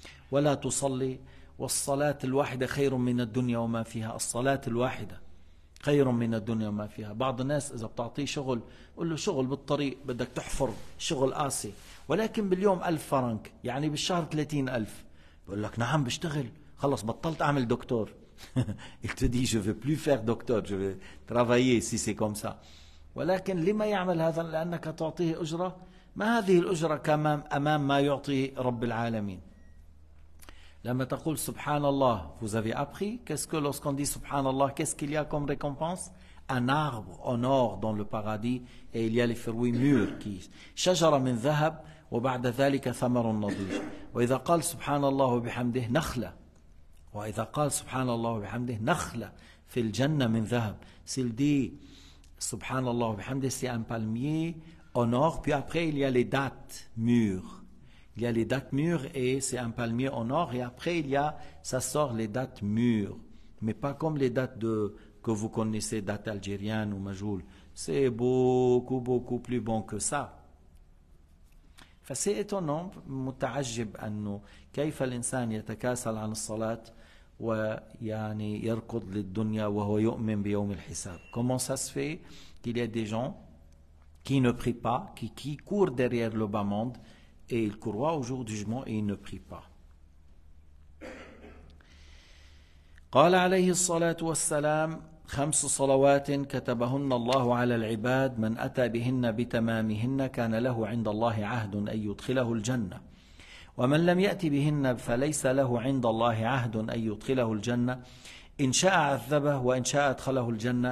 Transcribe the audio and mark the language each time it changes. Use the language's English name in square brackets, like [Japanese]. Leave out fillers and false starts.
[Arabic] ولا تصلي والصلاة الواحدة خير من الدنيا وما فيها الصلاة الواحدة خير من الدنيا وما فيها بعض الناس إذا بتعطيه شغل قل له شغل بالطريق بدك تحفر شغل قاسي ولكن باليوم 1000 فرنك يعني بالشهر 30,000 بقول لك نعم بشتغل خلص بطلت اعمل دكتور [French] il te dit je veux plus faire docteur je veux travailler si c'est comme ça [Arabic] ولكن لما يعمل هذا لانك تعطيه اجره ما هذه الأجرة أمام ما يعطي رب العالمين؟ لما تقول سبحان الله [French] vous avez appris, qu'est-ce que lorsqu'on dit سبحان الله qu'est-ce qu'il y a comme récompense? Un arbre en or dans le paradis et il y a les fruits mûrs qui [Arabic] شجرة من ذهب وبعد ذلك ثمر نضيج. وإذا قال سبحان الله وبحمده نخلة. وإذا قال سبحان الله وبحمده نخلة في الجنة من ذهب. [French] S'il dit [Arabic] سبحان الله وبحمده [French] c'est un palmier en or, puis après il y a les dattes mûres. Il y a les dattes mûres et c'est un palmier en or, et après il y a, ça sort les dattes mûres. Mais pas comme les dattes de, que vous connaissez, dattes algériennes ou majoules. C'est beaucoup, beaucoup plus bon que ça. Enfin, c'est étonnant, [Arabic] متعجب أنه كيف الإنسان يتكاسل عن الصلاة ويعني يركض للدنيا وهو يؤمن بيوم الحساب. [French] Comment ça se fait qu'il y a des gens qui ne prie pas, qui court derrière le bas monde, et il croit au jour du jugement et il ne prie pas. [Arabic] قال عليه الصلاة والسلام خمس صلوات كتبهن الله على العباد من أتى بهن بتمامهن كان له عند الله عهد أن يدخله الجنة ومن لم يأتي بهن فليس له عند الله عهد أن يدخله الجنة إن شاء عذبه وإن شاء أدخله الجنة.